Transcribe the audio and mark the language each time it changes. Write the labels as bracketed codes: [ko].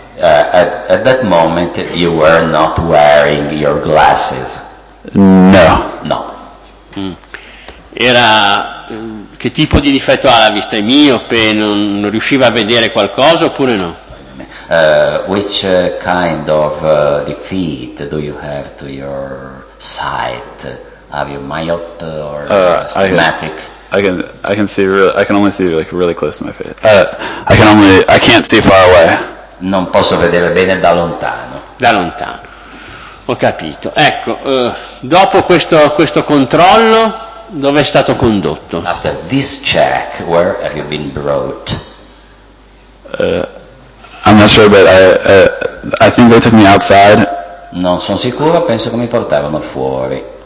[en] At that moment you were not wearing your glasses. No. [it] Era che tipo di difetto ha la vista? È miope, non riusciva a vedere qualcosa oppure no? [en] Which kind of defeat do you have to your sight? Have you myope or astigmatic? I can't see far away. [it] Non posso vedere bene da lontano. Da lontano. Ho capito. Ecco, dopo questo controllo dove è stato condotto? [en] After this check, where have you been brought? I'm not sure, but I think they took me outside. [it] Non sono sicuro, penso che mi portavano fuori.